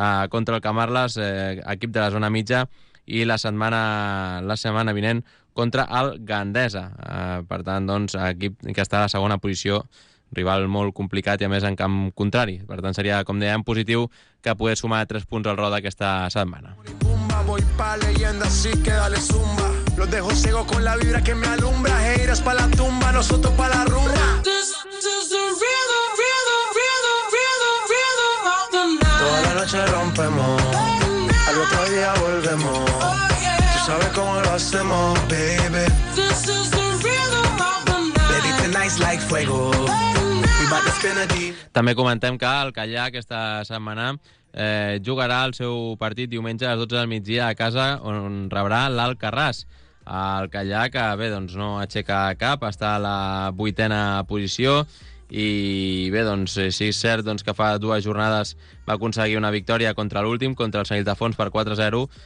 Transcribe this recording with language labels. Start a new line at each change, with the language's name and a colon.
Catalan: contra el Camarles, equip de la zona mitja, i la setmana vinent contra el Gandesa, per tant doncs, equip que està a la segona posició, rival molt complicat i a més en camp contrari, per tant seria com dèiem positiu que pogués sumar 3 punts al Roda aquesta setmana.
Spanish: Voy pa leyenda, así que dale zumba. Los dejo ciego con la vibra que me alumbra. Haters pa la tumba, nosotros pa la rumba. Toda la noche rompemos, al otro día volvemos.
English: Oh, yeah.
Spanish: Tú sabes cómo lo hacemos, baby.
English: This is the rhythm of the night. Baby, tonight's like fuego. We about to spin a deep.
Catalan: També comentem que el Callà aquesta setmana jugarà el seu partit diumenge a les 12 del migdia a casa, on rebrà l'Alcarràs. El Callà, que bé, doncs no aixeca cap, està a la 8a posició i bé, doncs sí, és cert doncs, que fa dues jornades va aconseguir una victòria contra l'últim, contra el Sant Ildefons per 4-0.